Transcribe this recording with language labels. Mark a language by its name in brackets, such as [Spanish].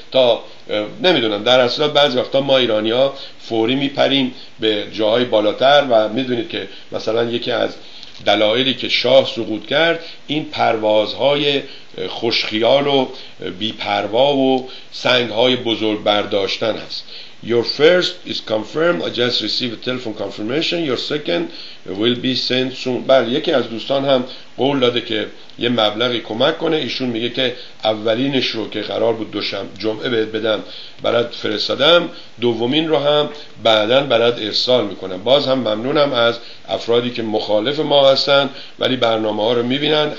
[Persian] تا نمیدونم، در اصل بعضی وقتا ما ایرانی ها فوری میپریم به جاهای بالاتر و میدونید که مثلا یکی از دلایلی که شاه سقوط کرد این پروازهای خوشخیال و بیپروا و سنگهای بزرگ برداشتن هست. [English] Your first is confirmed. I just received a telephone confirmation. Your second will be sent soon. [Persian] بله، یکی از دوستان هم قول داده که یه مبلغی کمک کنه. ایشون میگه که اولینش رو که قرار بود جمعه بهت بدم برات فرستادم، دومین رو هم بعداً برات ارسال میکنم. باز هم ممنونم از افرادی که مخالف ما هستن ولی برنامه ها رو میبینن.